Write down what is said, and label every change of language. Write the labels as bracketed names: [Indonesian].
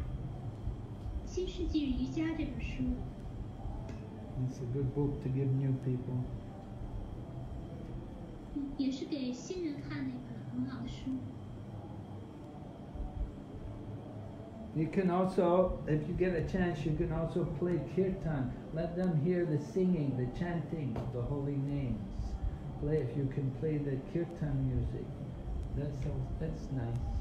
[English] Yes， [Chinese] 新世纪的瑜伽，新世纪瑜伽这本书。 [English] It's a good book to give new people. [Chinese] 也是给新人看的一本很好的书。 [English] You can also, if you get a chance, you can also play kirtan. Let them hear the singing, the chanting of the holy names. Play, if you can play the kirtan music, that's nice.